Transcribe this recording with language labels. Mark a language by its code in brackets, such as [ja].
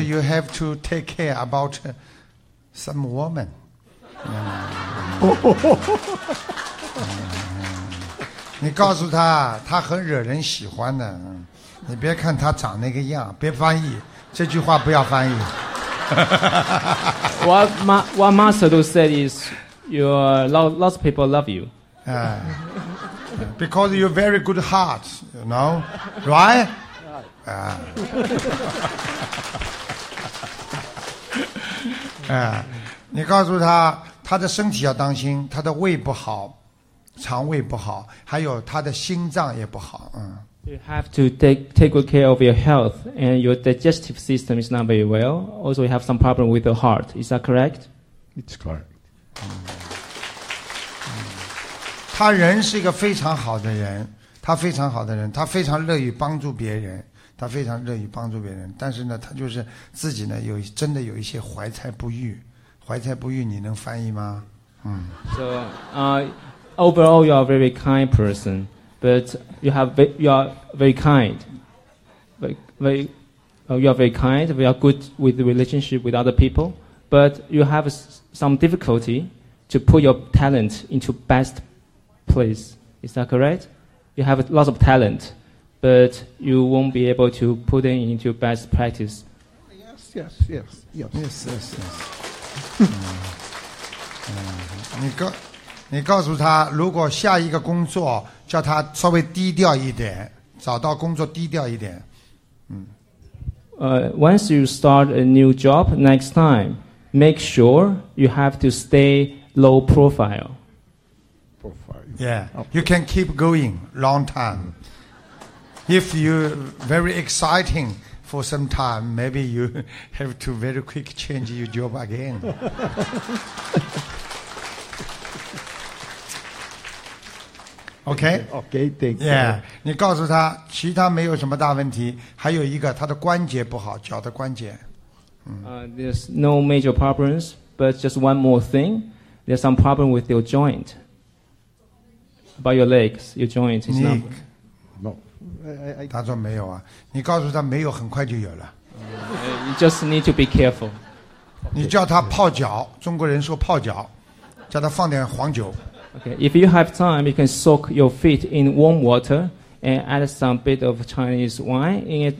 [en] you have to take care about some woman. Mm. [zh] 你告诉他，他很惹人喜欢的。你别看他长那个样，别翻译这句话，不要翻译。 [en] What Master Lu said is, lots of people love you. Because you're very good heart, you know, right? [zh] Ah. 你告诉他。他的身体要当心，他的胃不好，肠胃不好，还有他的心脏也不好。 [en] You have to take good care of your health, and your digestive system is not very well. Also, you have some problem with the heart. Is that correct? It's correct. [zh] 他人是一个非常好的人，他非常好的人，他非常乐于帮助别人，他非常乐于帮助别人。但是呢，他就是自己呢，真的有一些怀才不遇。怀才不遇，你能翻译吗？ [en] So, overall, you are a very kind person, but you are very kind. We are good with the relationship with other people, but you have some difficulty to put your talent into best place. Is that correct? You have lots of talent, but you won't be able to put it into best practice. Yes. [zh] 你告诉他，如果下一个工作叫他稍微低调一点，找到工作低调一点。 [en] Once you start a new job next time, make sure you have to stay low profile. Profile. Yeah. You can keep going long time. If you very exciting. For some time, maybe you have to very quick change your job again. [zh] 你告诉他，其他没有什么大问题，还有一个他的关节不好，脚的关节。 [en] There's no major problems, but just one more thing. There's some problem with your joint. About your legs, your joint is not. No. [zh] 他说没有啊，你告诉他没有，很快就有了。 [en] You just need to be careful. [zh] 你叫他泡脚，中国人说泡脚，叫他放点黄酒。 [en] Okay, if you have time, you can soak your feet in warm water and add some bit of Chinese wine in it.